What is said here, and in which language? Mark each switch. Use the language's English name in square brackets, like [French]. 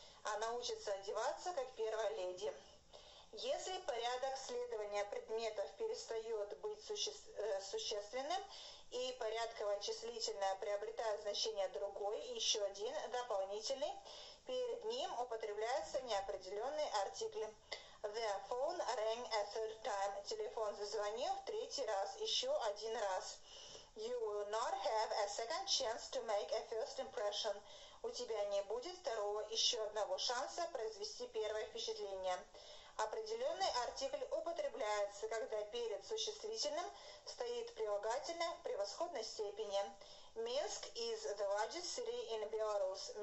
[Russian] Она учится одеваться как первая леди. Если порядок следования предметов перестает быть существенным и порядковое числительное приобретает значение другой, еще один дополнительный, перед ним употребляются неопределенные артикли. [English] The phone rang a third time. [Russian] Телефон зазвонил в третий раз, еще один раз. [English] You will not have a second chance to make a first impression. [Russian] У тебя не будет второго, еще одного шанса произвести первое впечатление. Определенный артикль употребляется, когда перед существительным стоит прилагательное в превосходной степени. [English] Minsk is the largest city in Belarus.